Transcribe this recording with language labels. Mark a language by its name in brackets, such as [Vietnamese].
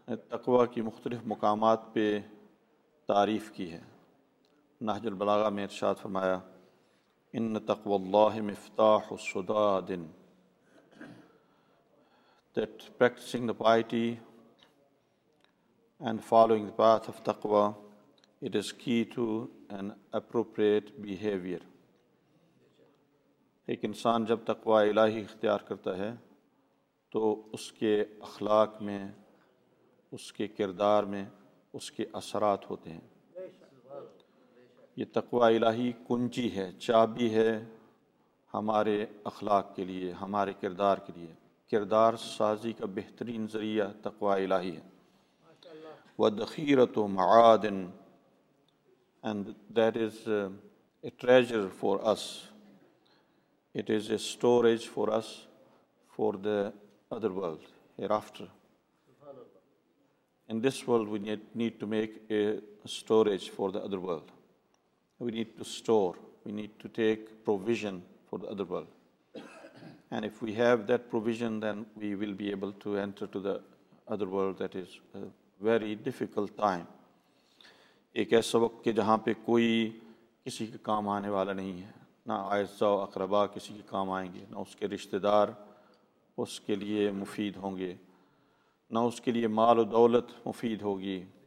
[Urdu] تقوی کی مختلف مقامات پہ تعریف کی ہے نہج البلاغہ میں ارشاد فرمایا [Arabic] ان تقوی اللہ مفتاح السداد [English] that practicing the piety and following the path of taqwa, it is key to an appropriate behavior. [Urdu] ایک انسان جب تقوی الہی اختیار کرتا ہے تو اس کے اخلاق میں اس کے کردار میں اس کے اثرات ہوتے ہیں یہ تقوی الہی کنجی ہے چابی ہے ہمارے اخلاق کے لیے ہمارے کردار کے لیے کردار سازی کا بہترین ذریعہ تقوی الہی ہے [Arabic] وَدْخِيرَةُ مَعَادٍ [English] and that is a treasure for us. It is a storage for us for the other world, hereafter. In this world, we need to make a storage for the other world. We need to store. We need to take provision for the other world. And if we have that provision, then we will be able to enter to the other world that is very difficult time. [Urdu] ایک ایسا وقت کہ جہاں پہ کوئی کسی کے کام آنے والا نہیں ہے نہ اعزاء و اقربا کسی کے کام آئیں گے نہ اس کے رشتہ دار اس کے لیے مفید ہوں گے نہ اس کے لیے مال و دولت مفید ہوگی